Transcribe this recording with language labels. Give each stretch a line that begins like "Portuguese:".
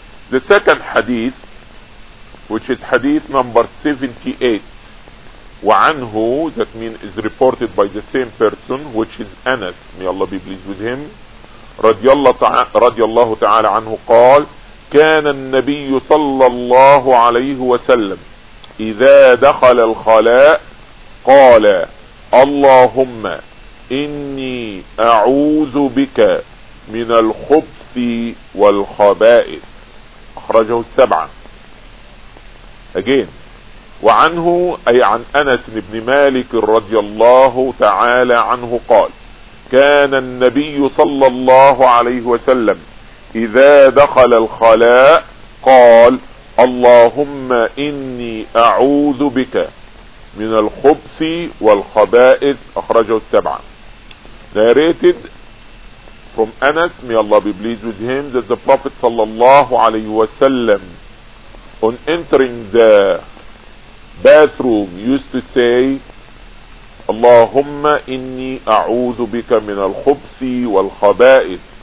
English: The second hadith, which is hadith number 78, وعنه, that means is reported by the same person, which is Anas, may Allah be pleased with him,
Arabic: رضي الله تعالى عنه قال كان النبي صلى الله عليه وسلم إذا دخل الخلاء قال اللهم إني أعوذ بك من الخبث والخبائث. أخرجه السبعة. Again. وعنه أي عن أنس بن مالك رضي الله تعالى عنه قال كان النبي صلى الله عليه وسلم إذا دخل الخلاء قال اللهم إني أعوذ بك من الخبث والخبائث. أخرجه السبعة.
English: Narrated from Anas, may Allah be pleased with him, that the Prophet صلى الله عليه وسلم on entering the bathroom used to say
Arabic: اللهم إني أعوذ بك من الخبث والخبائث.